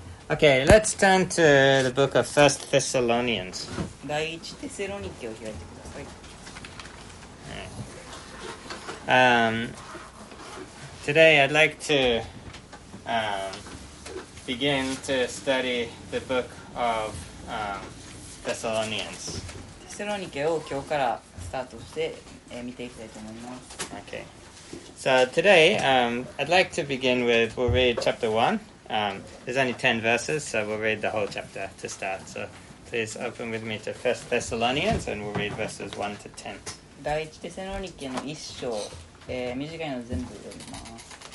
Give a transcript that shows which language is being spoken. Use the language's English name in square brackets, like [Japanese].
[English] Okay, let's turn to the book of 1 Thessalonians. [Japanese] 第一テセロニケを開いてください。 [English] Today I'd like to begin to study the book of Thessalonians. [Japanese] テセロニケを今日からスタートして、見ていきたいと思います。 [English] Okay. So today I'd like to begin with, we'll read chapter 1. There's only 10 verses, so we'll read the whole chapter to start. So please open with me to 1 Thessalonians and we'll read verses 1 to 10. [Japanese] 第1テセロニケの1章、短いの全部読みます。